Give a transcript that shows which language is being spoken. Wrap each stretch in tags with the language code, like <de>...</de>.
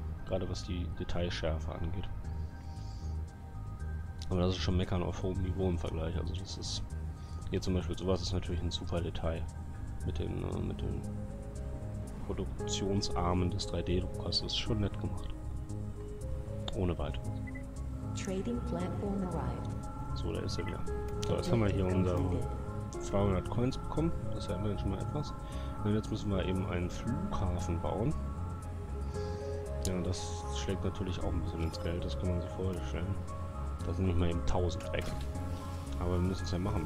<de>Gerade was die Detailschärfe angeht. Aber das ist schon Meckern auf hohem Niveau im Vergleich. Also das ist hier zum Beispiel sowas, ist natürlich ein super Detail. Mit den Produktionsarmen des 3D-Druckers. Das ist schon nett gemacht. Ohne weiteres.</de> <en>Trading Platform arrived.</en> <de>So, da ist er wieder. So, jetzt haben wir hier unsere 200 Coins bekommen. Das ist ja immerhin schon mal etwas. Und jetzt müssen wir eben einen Flughafen bauen. Ja, das schlägt natürlich auch ein bisschen ins Geld. Das kann man sich vorstellen. Da sind nicht mal eben 1000 weg. Aber wir müssen es ja machen.</de>